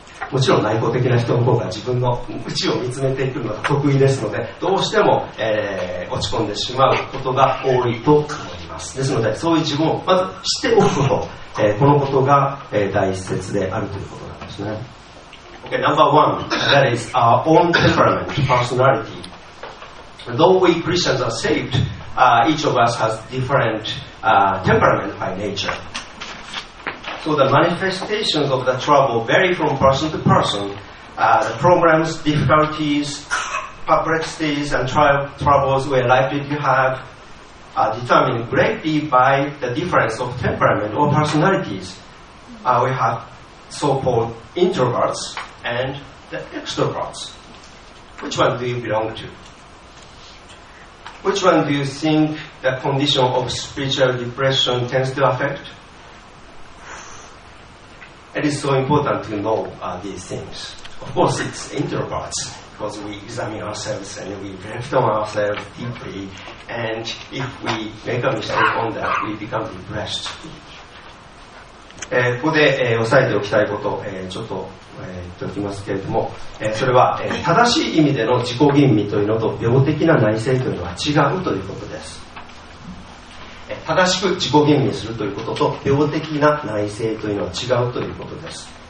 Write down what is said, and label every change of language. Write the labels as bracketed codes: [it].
[ja] もちろん内向的な人の方が自分の内を見つめていくのが得意ですので、どうしても、落ち込んでしまうことが多いと思います。ですのでそういう自分をまず知っておくこと、このことが、大切であるということなんですね。 [en] OK, number one, that is our own temperament, personality. Though we Christians are saved, each of us has different temperament by natureSo the manifestations of the trouble vary from person to person. The problems, difficulties, perplexities, and troubles we are likely to have are determined greatly by the difference of temperament or personalities. We have so-called introverts and the extroverts. Which one do you belong to? Which one do you think the condition of spiritual depression tends to affect? It is so important to know these things. Of course, it's introverts, because we examine ourselves and we reflect on ourselves deeply, and if we make a mistake on that, we become depressed. [ja] ここで、押さえておきたいこと、ちょっと、言っておきますけれども、それは、正しい意味での自己吟味というのと病的な内省というのは違うということです。正しく自己吟味するということと病的な内省というのは違うということです。